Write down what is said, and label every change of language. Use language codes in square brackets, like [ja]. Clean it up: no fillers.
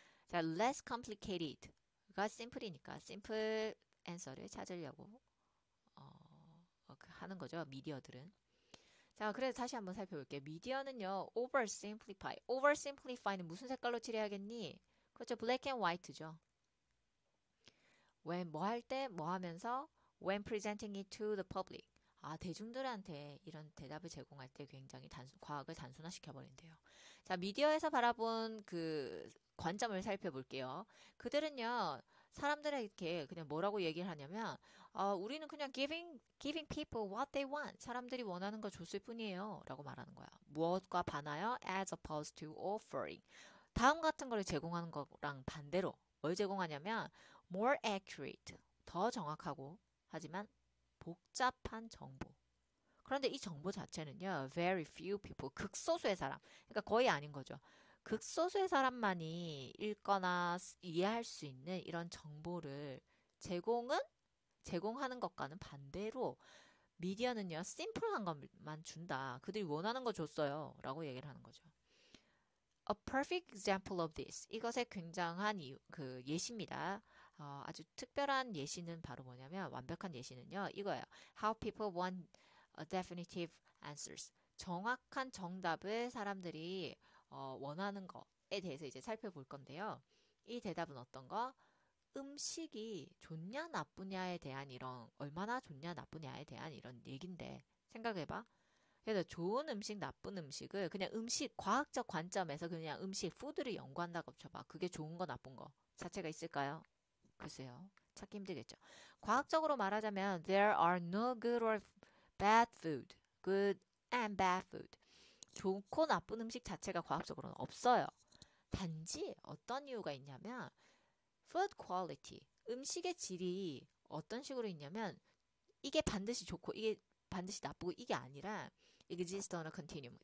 [ko] 자, [en] less complicated [ko] 가 심플이니까 심플 answer를 찾으려고 하는 거죠, 미디어들은. 자, 그래서 다시 한번 살펴볼게요. 미디어는요, oversimplify. oversimplify는 무슨 색깔로 칠해야겠니? 그렇죠, [en] black and white죠. when [ko] 뭐할때뭐 하면서 [en] when presenting it to the public. [ko] 아, 대중들한테 이런 대답을 제공할 때 굉장히 과학을 단순화시켜버린대요. 자, 미디어에서 바라본 그 관점을 살펴볼게요. 그들은요, 사람들에게 그냥 뭐라고 얘기를 하냐면, 우리는 그냥 [en] giving people what they want. [ko] 사람들이 원하는 거 줬을 뿐이에요. 라고 말하는 거야. 무엇과 반하여? [en] As opposed to offering. [ko] 다음 같은 거를 제공하는 거랑 반대로 뭘 제공하냐면, [en] more accurate. [ko] 더 정확하고, 하지만 복잡한 정보. 그런데 이 정보 자체는요, [en] very few people, [ko] 극소수의 사람. 그러니까 거의 아닌 거죠. 극소수의 사람만이 읽거나 이해할 수 있는 이런 정보를 제공하는 것과는 반대로 미디어는요, 심플한 것만 준다. 그들이 원하는 거 줬어요. 라고 얘기를 하는 거죠. [en] A perfect example of this. [ko] 이것의 굉장한 예시입니다. 아주 특별한 예시는 바로 뭐냐면, 완벽한 예시는요, 이거예요. [en] How people want definitive answers. [ko] 정확한 정답을 사람들이 원하는 것에 대해서 이제 살펴볼 건데요. 이 대답은 어떤 거? 음식이 좋냐, 나쁘냐에 대한 이런, 얼마나 좋냐, 나쁘냐에 대한 이런 얘긴데, 생각해봐. 그래서 좋은 음식, 나쁜 음식을 그냥 음식, 과학적 관점에서 그냥 음식, 푸드를 연구한다고 쳐봐. 그게 좋은 거, 나쁜 거 자체가 있을까요? 글쎄요. 찾기 힘들겠죠. 과학적으로 말하자면, [en] there are no good or bad food. Good and bad food. [ko] 좋고 나쁜 음식 자체가 과학적으로는 없어요. 단지 어떤 이유가 있냐면, [en] food quality, [ko] 음식의 질이 어떤 식으로 있냐면, 이게 반드시 좋고, 이게 반드시 나쁘고, 이게 아니라, [en] exist on a continuum.